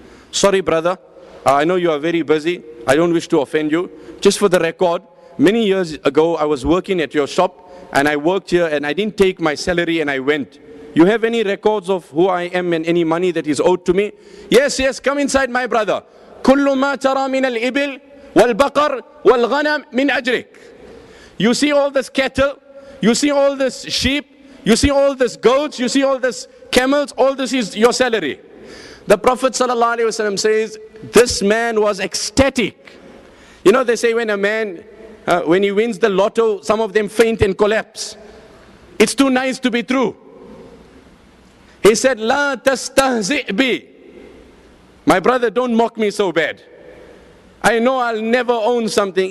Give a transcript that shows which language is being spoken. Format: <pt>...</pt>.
<en>Sorry brother, I know you are very busy, I don't wish to offend you, just for the record, many years ago, I was working at your shop, and I worked here, and I didn't take my salary, and I went. You have any records of who I am and any money that is owed to me? Yes, yes, come inside, my brother.</en> <ar>كل ما ترى من الإبل والبقر والغنم من أجرك.</ar> <en>You see all this cattle, you see all this sheep, you see all this goats, you see all this camels, all this is your salary. The Prophet sallallahu alaihi wasallam says, this man was ecstatic. You know, they say when a man, when he wins the lotto, some of them faint and collapse. It's too nice to be true. He said,</en> <ar>لا تستهزئ بي.</ar> <en>My brother, don't mock me so bad. I know I'll never own something.</en>